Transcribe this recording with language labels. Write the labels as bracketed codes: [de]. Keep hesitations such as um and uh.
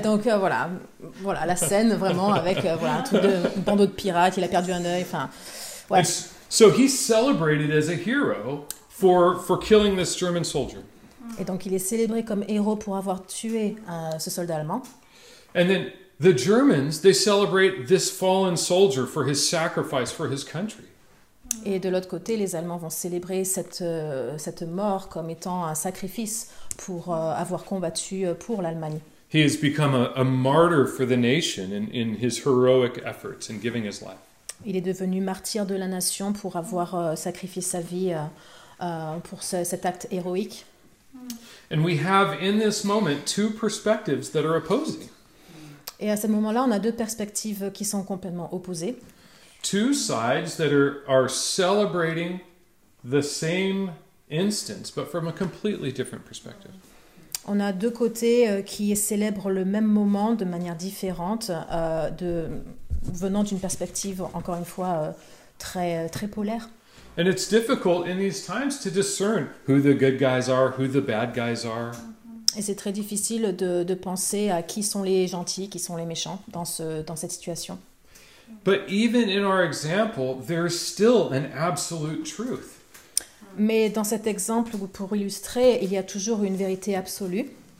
[fr] donc euh, voilà, voilà, la scène, vraiment, avec voilà, un de bandeau de pirates, il a perdu un œil, enfin... [en] Well. so he's celebrated as a hero for for killing this German soldier. [fr] Et donc il est célébré comme héros pour avoir tué uh, ce soldat allemand. [en] And then the Germans they celebrate this fallen soldier for his sacrifice for his country. [fr] Et de l'autre côté, les Allemands vont célébrer cette uh, cette mort comme étant un sacrifice pour uh, avoir combattu uh, pour l'Allemagne. [en] He has become a, a, martyr for the nation in, in his heroic efforts and giving his life. [fr] Il est devenu martyr de la nation pour avoir euh, sacrifié sa vie euh, euh, pour ce, cet acte héroïque. [en] We have in this moment two that are [fr] Et à ce moment-là, on a deux perspectives qui sont complètement opposées. [en] Two sides that are are celebrating the same instance but from a completely different perspective [fr] on a deux côtés qui célèbrent le même moment de manière différente, de, venant d'une perspective, encore une fois, très, très, polaire. [en] And it's difficult in these times to discern who the good guys are, who the bad guys are. [fr] Et c'est très difficile de, de, penser à qui sont les gentils, qui sont les méchants dans, ce, dans, cette situation. [en] But even in our example, there's still an absolute truth. [fr] Mais dans cet exemple, pour illustrer, il y a toujours une vérité absolue.